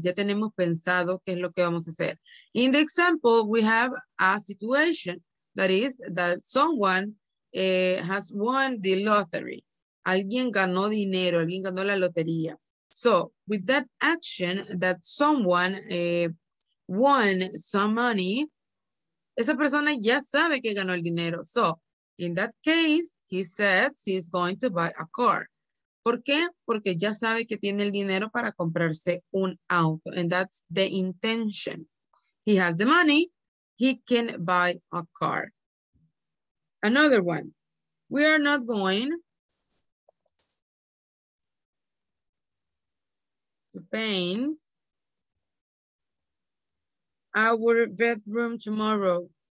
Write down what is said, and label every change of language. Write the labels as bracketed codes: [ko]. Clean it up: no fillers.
[es] Ya tenemos pensado qué es lo que vamos a hacer. [en] In the example, we have a situation that is that someone has won the lottery. [es] Alguien ganó dinero, alguien ganó la lotería. [en] So, with that action that someone won some money, [es] esa persona ya sabe que ganó el dinero. [en] So, in that case, he said he's going to buy a car. [es] ¿Por qué? Porque ya sabe que tiene el dinero para comprarse un auto. [en] And that's the intention. He has the money, he can buy a car. Another one. We are not going to paint our bedroom tomorrow.